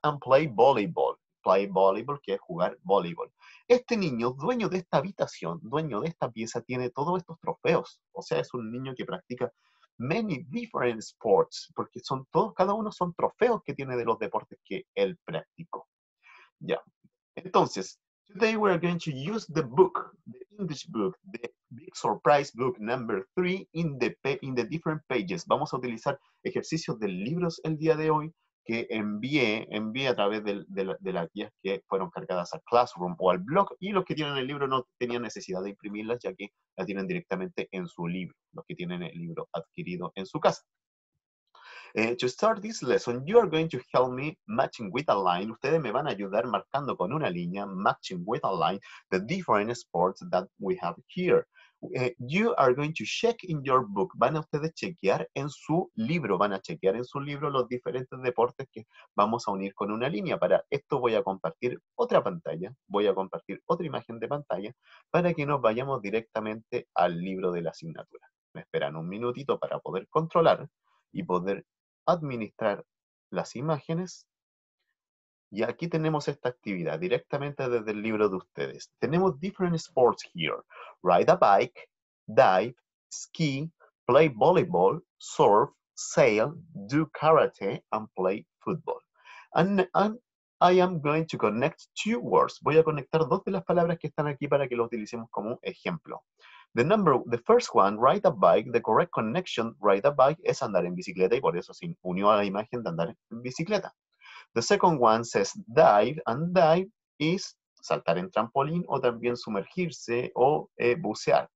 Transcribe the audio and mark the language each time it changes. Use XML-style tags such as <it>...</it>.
<en>And play volleyball. Play volleyball,</en> <es>que es jugar voleibol. Este niño, dueño de esta habitación, dueño de esta pieza, tiene todos estos trofeos. O sea, es un niño que practica</es> <en>many different sports,</en> <es>porque son todos, cada uno son trofeos que tiene de los deportes que él practicó. Ya. Yeah.</es> <en>Entonces, today we are going to use the book, the English book, the big surprise book number 3 in the different pages.</en> <es>Vamos a utilizar ejercicios de libros el día de hoy que envié a través de las guías que fueron cargadas a Classroom o al blog, y los que tienen el libro no tenían necesidad de imprimirlas, ya que la tienen directamente en su libro, los que tienen el libro adquirido en su casa.</es> <en>To start this lesson, you are going to help me matching with a line.</en> <es>Ustedes me van a ayudar marcando con una línea,</es> <en>matching with a line, the different sports that we have here. You are going to check in your book.</en> <es>Van a ustedes chequear en su libro. Van a chequear en su libro los diferentes deportes que vamos a unir con una línea. Para esto voy a compartir otra pantalla. Voy a compartir otra imagen de pantalla para que nos vayamos directamente al libro de la asignatura. Me esperan un minutito para poder controlar y poder administrar las imágenes. Y aquí tenemos esta actividad directamente desde el libro de ustedes. Tenemos</es> <en>different sports here. Ride a bike, dive, ski, play volleyball, surf, sail, do karate, and play football. And I am going to connect two words.</en> <es>Voy a conectar dos de las palabras que están aquí para que lo utilicemos como ejemplo.</es> <en>The first one, ride a bike,</en> <es>the correct connection, ride a bike, es andar en bicicleta y por eso se unió a la imagen de andar en bicicleta.</es> <en>The second one says dive, and dive is</en> <es>saltar en trampolín o también sumergirse o bucear.</es>